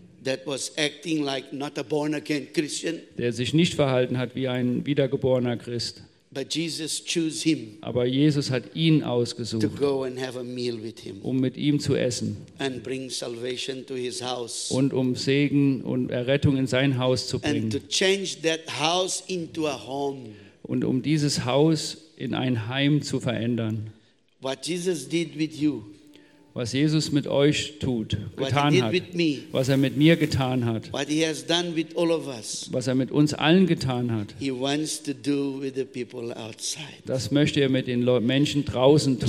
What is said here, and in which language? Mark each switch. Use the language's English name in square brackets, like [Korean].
[English] That was acting like not a born again Christian. [German] Der sich nicht verhalten hat wie ein wiedergeborener Christ. [English] But Jesus chose him. [German] Aber Jesus hat ihn ausgesucht. [English] To go and have a meal with him. [German] Um mit ihm zu essen. [English] And bring salvation to his house. [German] Und um Segen und Errettung in sein Haus zu bringen. [English] And to change that house into a home. [German] Und um dieses Haus in ein Heim zu verändern. [English] What Jesus did with you. [German] Was Jesus mit euch tut, getan [English] what he did [German] hat, [English] with me. [German] Was er mit mir getan hat, [English] what he has done with all of us. [German] Was er mit uns allen getan hat, [English] he wants to do with the people outside. [German] Das möchte er mit den Menschen draußen tun.